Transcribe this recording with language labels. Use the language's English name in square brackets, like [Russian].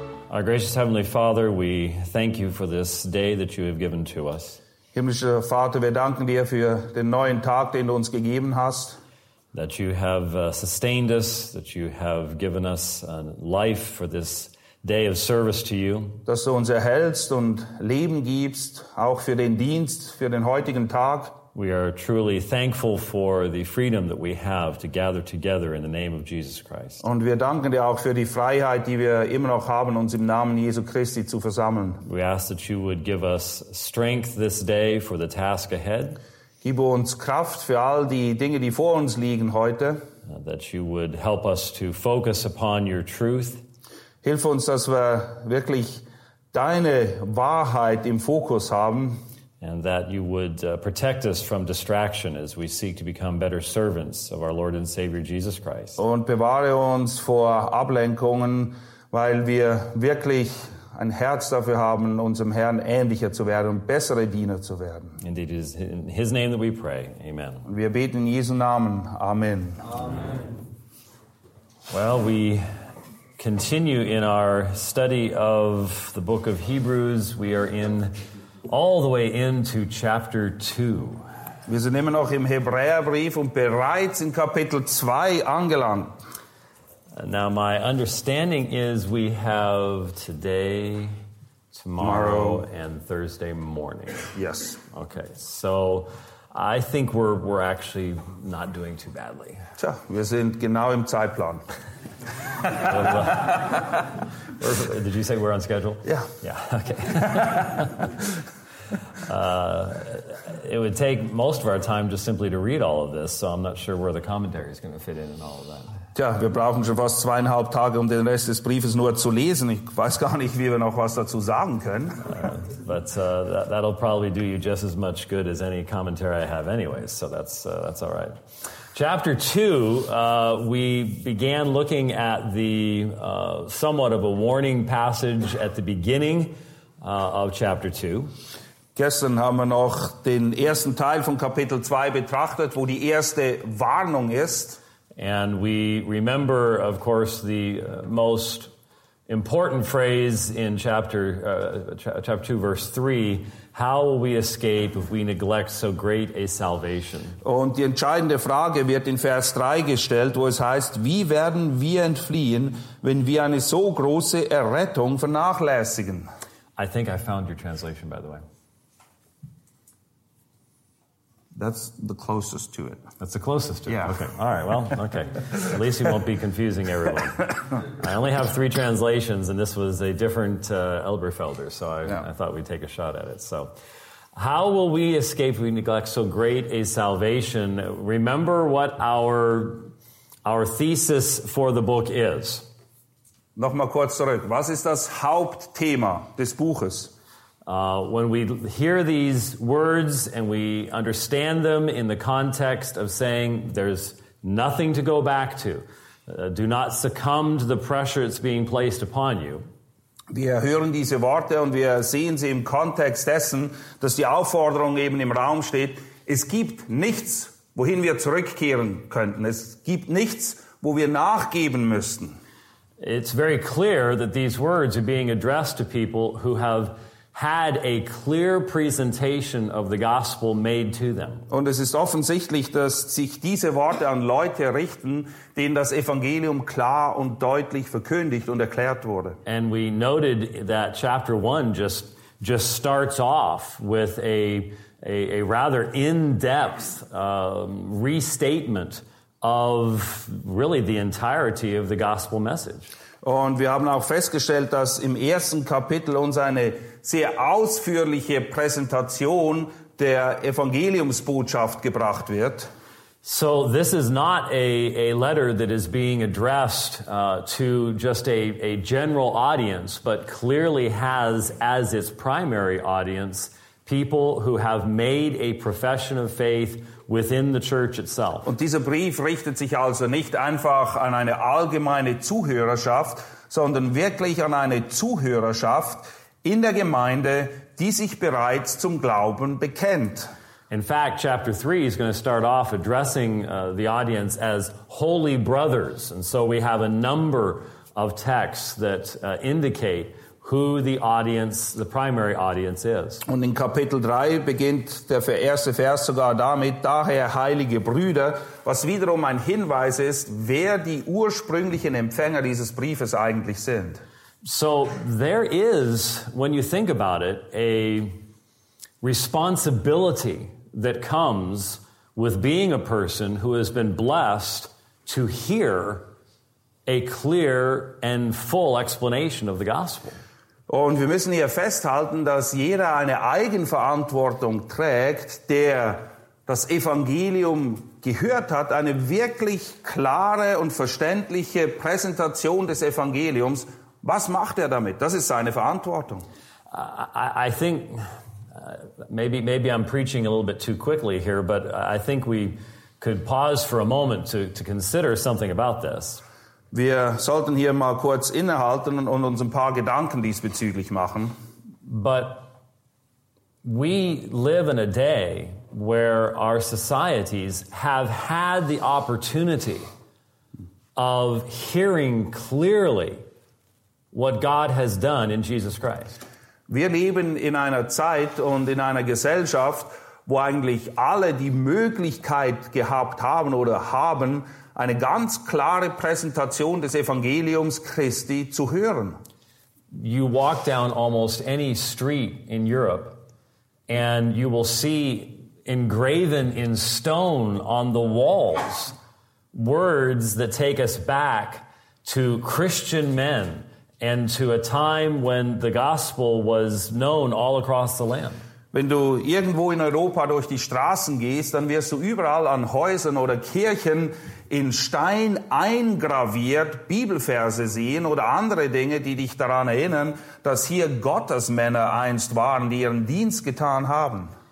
[English] Our gracious Heavenly Father, we thank you for this day that you have given to us. [German] Himmlischer Vater, wir danken dir für den neuen Tag, den du uns gegeben hast. [English] That you have sustained us, that you have given us life for this day of service to you. [German] Dass du uns erhältst und Leben gibst, auch für den Dienst, für den heutigen Tag. [English] We are truly thankful for the freedom that we have to gather together in the name of Jesus Christ. [German] Und wir danken dir auch für die Freiheit, die wir immer noch haben, uns im Namen Jesu Christi zu versammeln. [English] We ask that you would give us strength this day for the task ahead. [German] Gib uns Kraft für all die Dinge, die vor uns liegen heute. [English] That you would help us to focus upon your truth. [German] Hilf uns, dass wir wirklich deine Wahrheit im Fokus haben. [English] And that you would protect us from distraction as we seek to become better servants of our Lord and Savior Jesus Christ. [German] Und bewahre uns vor Ablenkungen, weil wir wirklich ein Herz dafür haben, unserem Herrn ähnlicher zu werden und bessere Diener zu werden. [English] Indeed, it is in his name that we pray. Amen. [German] Und wir beten in Jesu Namen. Amen. Amen. [English] Well, we continue in our study of the book of Hebrews. We are in all the way into chapter 2. [German] Wir sind immer noch im Hebräerbrief und bereits in Kapitel 2 angelangt. [English] Now my understanding is we have today, tomorrow, and Thursday morning. Yes. Okay, so I think we're actually not doing too badly. [German] Tja, wir sind genau im Zeitplan. [English] Did you say we're on schedule? Yeah. Yeah, okay. It would take most of our time just simply to read all of this, so I'm not sure where the commentary is going to fit in all of that. [German] Tja, wir brauchen schon fast 2,5 Tage, um den Rest des Briefes nur zu lesen. Ich weiß gar nicht, wie wir noch was dazu sagen können. [English] But that'll probably do you just as much good as any commentary I have anyways, so that's all right. Chapter 2, we began looking at the somewhat of a warning passage at the beginning of chapter 2. [German] Gestern haben wir noch den ersten Teil von Kapitel 2 betrachtet, wo die erste Warnung ist. [English] And we remember, of course, the most important phrase in chapter 2, verse 3, how will we escape if we neglect so great a salvation? [German] Und die entscheidende Frage wird in Vers 3 gestellt, wo es heißt, wie werden wir entfliehen, wenn wir eine so große Errettung vernachlässigen? [English] I think I found your translation, by the way. That's the closest to it. That's the closest to yeah. it. Okay. All right. Well, okay. At least you won't be confusing everyone. I only have 3 translations, and this was a different Elberfelder, so I thought we'd take a shot at it. So, how will we escape if we neglect so great a salvation? Remember what our thesis for the book is. [German] Nochmal kurz zurück. Was ist das Hauptthema des Buches? [English] When we hear these words and we understand them in the context of saying there's nothing to go back to, do not succumb to the pressure that's being placed upon you. [German] Wir hören diese Worte und wir sehen sie im Kontext dessen, dass die Aufforderung eben im Raum steht, es gibt nichts, wohin wir zurückkehren könnten. Es gibt nichts, wo wir nachgeben müssten. [English] It's very clear that these words are being addressed to people who have had a clear presentation of the gospel made to them. [German] Und es ist offensichtlich, dass sich diese Worte an Leute richten, denen das Evangelium klar und deutlich verkündigt und erklärt wurde. [English] And we noted that chapter 1 just starts off with a rather in-depth restatement of really the entirety of the gospel message. [German] Und wir haben auch festgestellt, dass im ersten Kapitel uns eine sehr ausführliche Präsentation der Evangeliumsbotschaft gebracht wird. [English] So this is not a letter that is being addressed to just a general audience, but clearly has as its primary audience people who have made a profession of faith within the church itself. [German] Und dieser Brief richtet sich also nicht einfach an eine allgemeine Zuhörerschaft, sondern wirklich an eine Zuhörerschaft in der Gemeinde, die sich bereits zum Glauben bekennt. [English] In fact, chapter 3 is going to start off addressing the audience as holy brothers. And so we have a number of texts that indicate who the audience, the primary audience is. [German] Und in Kapitel 3 beginnt der erste Vers sogar damit, daher heilige Brüder, was wiederum ein Hinweis ist, wer die ursprünglichen Empfänger dieses Briefes eigentlich sind. [English] So there is, when you think about it, a responsibility that comes with being a person who has been blessed to hear a clear and full explanation of the gospel. [German] Und wir müssen hier festhalten, dass jeder eine Eigenverantwortung trägt, der das Evangelium gehört hat, eine wirklich klare und verständliche Präsentation des Evangeliums. Was macht er damit? Das ist seine Verantwortung. [English] I think maybe I'm preaching a little bit too quickly here, but I think we could pause for a moment to consider something about this. [German] Wir sollten hier mal kurz innehalten und uns ein paar Gedanken diesbezüglich machen. [English] But we live in a day where our societies have had the opportunity of hearing clearly what God has done in Jesus Christ. [German] Wir leben in einer Zeit und in einer Gesellschaft, wo eigentlich alle die Möglichkeit gehabt haben oder haben, eine ganz klare Präsentation des Evangeliums Christi zu hören. [English] You walk down almost any street in Europe and you will see engraven in stone on the walls words that take us back to Christian men and to a time when the gospel was known all across the land. [German] Wenn du irgendwo in Europa durch die Straßen gehst, dann wirst du überall an Häusern oder Kirchen in Stein eingraviert Bibelverse sehen oder andere Dinge, die dich daran erinnern, dass hier Gottesmänner einst waren, die ihren Dienst getan haben.